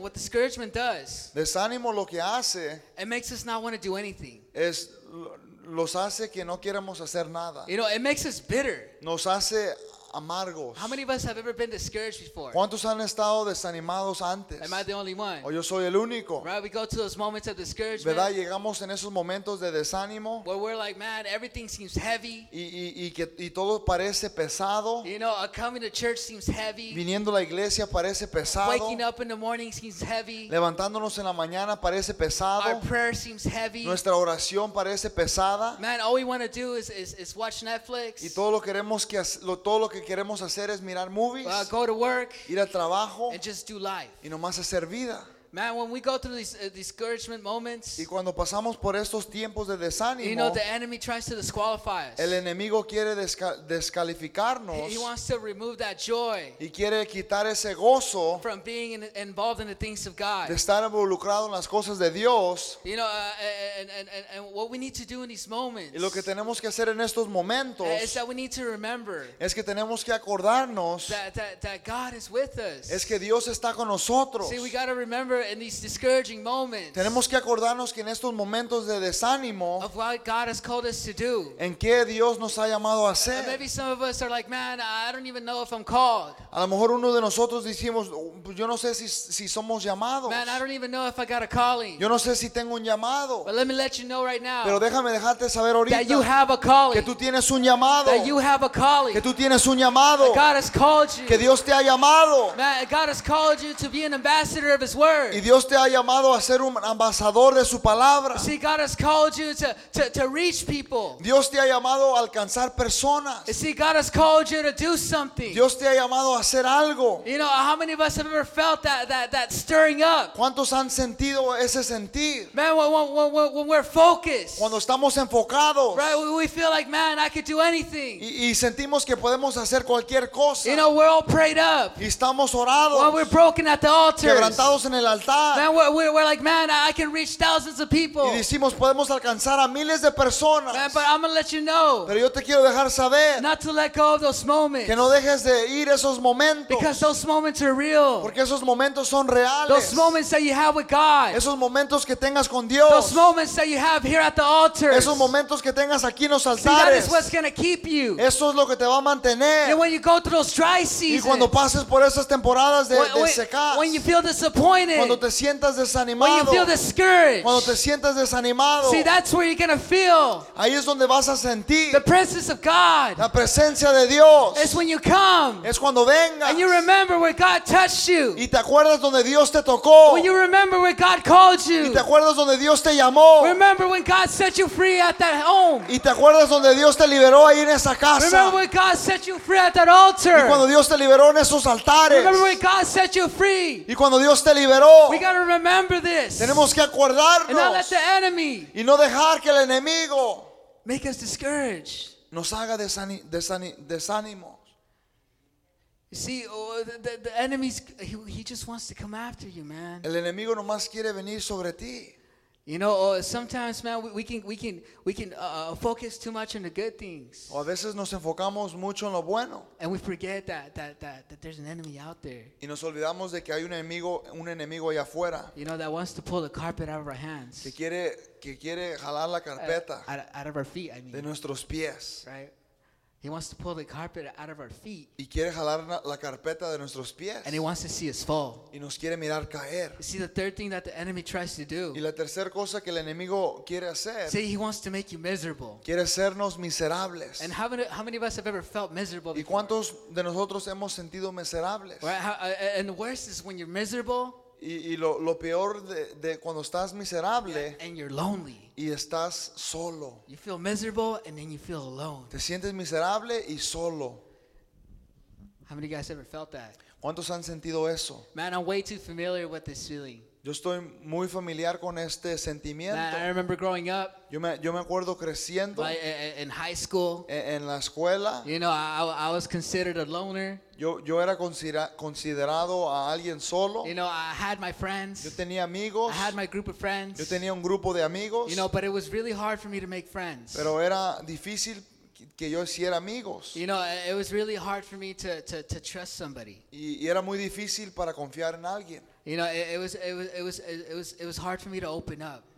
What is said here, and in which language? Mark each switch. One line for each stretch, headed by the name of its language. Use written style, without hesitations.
English: What discouragement does?
Spanish: Desánimo lo que hace.
English: It makes us not want to do anything.
Spanish: Es los hace que no queremos hacer nada.
English: You know, it makes us bitter.
Spanish: Nos hace amargos?
English: How many of us have ever been discouraged before?
Spanish: ¿Cuántos han estado desanimados antes?
English: Am I the only one?
Spanish: ¿O yo soy el único?
English: Right, we go to those moments of discouragement.
Spanish: ¿Verdad? Llegamos en esos momentos de desánimo.
English: Where we're like, man, everything seems heavy.
Spanish: Y todo parece pesado.
English: You know, coming to church seems heavy.
Spanish: Viniendo a la iglesia parece pesado.
English: Waking up in the morning seems heavy.
Spanish: Levantándonos en la mañana parece pesado.
English: Our prayer seems heavy.
Spanish: Nuestra oración parece pesada.
English: Man, all we want to do is watch Netflix.
Spanish: Y todo lo que queremos hacer es mirar movies.
English: Well, go to work.
Spanish: Ir al trabajo.
English: And just do life.
Spanish: Y nomás hacer vida.
English: Man, when we go through these discouragement moments,
Spanish: y cuando pasamos por estos tiempos de desánimo,
English: you know, the enemy tries to disqualify us.
Spanish: El enemigo quiere descalificarnos.
English: He wants to remove that joy.
Spanish: Y quiere quitar ese gozo
English: from being involved in the things of God.
Spanish: De estar involucrado en las cosas de Dios.
English: You know, and what we need to do in these moments.
Spanish: Y lo que tenemos que hacer en estos momentos
English: is that we need to remember.
Spanish: Es que tenemos que acordarnos
English: that God is with us.
Spanish: Es que Dios está con nosotros.
English: See, we got to remember in these discouraging moments.
Spanish: Tenemos que acordarnos que en estos momentos de desánimo,
English: of what God has called us to do.
Spanish: En qué Dios nos ha llamado a hacer.
English: Maybe some of us are like, man, I don't even know if I'm called.
Spanish: A lo mejor uno de nosotros decimos, yo no sé si somos llamados.
English: Man, I don't even know if I got a calling.
Spanish: Yo no sé si tengo un llamado.
English: But let me let you know right now.
Spanish: Pero déjame dejarte saber ahorita.
English: That you have a calling.
Spanish: Que tú tienes un llamado.
English: That you have a calling.
Spanish: Que tú tienes un llamado.
English: That God has called you.
Spanish: Que Dios te ha llamado.
English: Man, God has called you to be an ambassador of His word.
Spanish: Y Dios te ha llamado a ser un embajador de su palabra.
English: See, God has called you to reach people.
Spanish: Dios te ha llamado a alcanzar personas.
English: See, God has called you to do something.
Spanish: Dios te ha llamado a hacer algo.
English: You know, how many of us have ever felt that stirring up?
Spanish: ¿Cuántos han sentido ese sentir?
English: Man, when we're focused.
Spanish: Cuando estamos enfocados.
English: Right, we feel like, man, I could do anything.
Spanish: Y sentimos que podemos hacer cualquier cosa.
English: You know, we're all prayed up.
Spanish: Y estamos orados.
English: When we're broken at the altar.
Spanish: Quebrantados en el altar.
English: Man, we're like, man, I can reach thousands of people.
Spanish: Y decimos, podemos alcanzar a miles de personas.
English: Man, but I'm gonna let you know.
Spanish: Pero yo te quiero dejar saber.
English: Not to let go of those moments.
Spanish: Que no dejes de ir esos momentos.
English: Because those moments are real.
Spanish: Porque esos momentos son reales.
English: Those moments that you have with God.
Spanish: Esos momentos que tengas con Dios.
English: Those moments that you have here at the altar.
Spanish: Esos momentos que tengas aquí en los altares.
English: See, that is what's gonna keep you.
Spanish: Eso es lo que te va a mantener.
English: And when you go through those dry seasons.
Spanish: Y cuando pases por esas temporadas de secas.
English: When you feel disappointed.
Spanish: Cuando te sientas desanimado.
English: When you feel discouraged.
Spanish: Cuando te sientas desanimado.
English: See, that's where you're gonna feel.
Spanish: Ahí es donde vas a sentir.
English: The presence of God.
Spanish: La presencia de Dios.
English: It's when you come.
Spanish: Es cuando vengas.
English: And you remember where God touched you.
Spanish: Y te acuerdas donde Dios te tocó.
English: When you remember where God called you.
Spanish: Y te acuerdas donde Dios te llamó.
English: Remember when God set you free at that home.
Spanish: Y te acuerdas donde Dios te liberó ahí en esa casa.
English: Remember when God set you free at that altar.
Spanish: Y cuando Dios te liberó en esos altares.
English: Remember when God set you free.
Spanish: Y cuando Dios te liberó.
English: We got to remember this.
Spanish: Tenemos que acordarnos.
English: And not let the enemy.
Spanish: Y no dejar que el enemigo.
English: Make us discouraged.
Spanish: Nos haga desánimo.
English: You see, the enemy's he just wants to come after you, man.
Spanish: El enemigo nomás quiere venir sobre ti.
English: You know, sometimes, man, we can focus too much on the good things.
Spanish: O a veces nos enfocamos mucho en lo bueno.
English: And we forget that there's an enemy out there.
Spanish: Y nos olvidamos de que hay un enemigo allá afuera.
English: You know, that wants to pull the carpet out of our hands.
Spanish: Que quiere jalar la carpeta.
English: Out of our feet, I mean.
Spanish: De nuestros pies.
English: Right. He wants to pull the carpet out of our feet.
Spanish: Y quiere jalar la carpeta de nuestros pies.
English: And he wants to see us fall.
Spanish: Y nos quiere mirar caer.
English: You see, the third thing that the enemy tries to do.
Spanish: Y la tercera cosa que el enemigo quiere hacer.
English: See, he wants to make you miserable.
Spanish: Quiere hacernos miserables.
English: And how many of us have ever felt miserable before?
Spanish: ¿Y cuántos de nosotros hemos sentido miserables?
English: Right, and the worst is when you're miserable.
Spanish: Y lo peor de cuando estás miserable.
English: And you're lonely.
Spanish: Y estás solo.
English: You feel miserable and then you feel alone.
Spanish: Te sientes miserable y solo.
English: How many of you guys ever felt that?
Spanish: ¿Cuántos han sentido eso?
English: Man, I'm way too familiar with this feeling.
Spanish: Yo estoy muy familiar con este sentimiento.
English: Man, I remember growing up.
Spanish: Yo me acuerdo creciendo.
English: In high school.
Spanish: En la escuela.
English: You know, I was considered a loner.
Spanish: Yo era considerado a alguien solo.
English: You know, I had my friends.
Spanish: Yo tenía amigos.
English: I had my group of friends.
Spanish: Yo tenía un grupo de amigos.
English: You know, but it was really hard for me to make friends.
Spanish: Pero era difícil que yo hiciera amigos.
English: You know, it was really hard for me to trust somebody.
Spanish: Y era muy difícil para confiar en alguien.
English: You know, it was hard for me to open up.